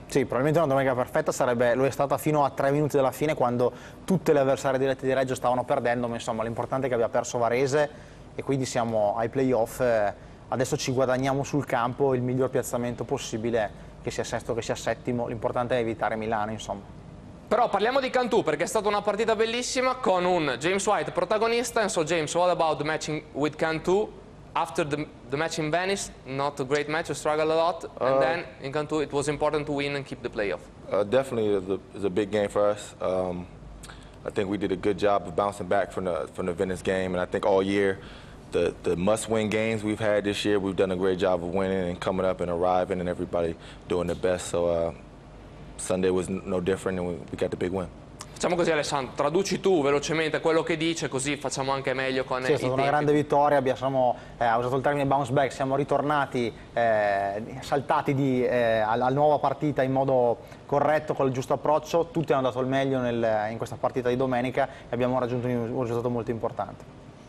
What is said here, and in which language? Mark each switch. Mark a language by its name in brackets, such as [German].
[Italian] Sì, probabilmente una domenica perfetta sarebbe, lui è stata fino a 3 minuti dalla fine, quando tutte le avversarie dirette di Reggio stavano perdendo, ma insomma l'importante è che abbia perso Varese e quindi siamo ai playoff. Adesso ci guadagniamo sul campo il miglior piazzamento possibile, che sia sesto che sia settimo, l'importante è evitare Milano, insomma. Però parliamo di Cantù, perché è stata una partita bellissima con un James White protagonista. [English] And so James, what about the matching with Cantù after the match in Venice? Not a great match, you struggled a lot, and then in Cantù it was important to win and keep the playoff. Definitely is a big game for us. I think we did a good job of bouncing back from the Venice game, and I think all year the must-win games we've had this year, we've done a great job of winning and coming up and arriving and everybody doing their best. So Sunday was no different and we got the big win. [Italian] Facciamo così, Alessandro, traduci tu velocemente quello che dice, così facciamo anche meglio con i tempi. Sì, è stata una grande vittoria, abbiamo usato il termine bounce back, siamo ritornati, saltati alla nuova partita in modo corretto, con il giusto approccio. Tutti hanno dato il meglio in questa partita di domenica e abbiamo raggiunto un risultato molto importante.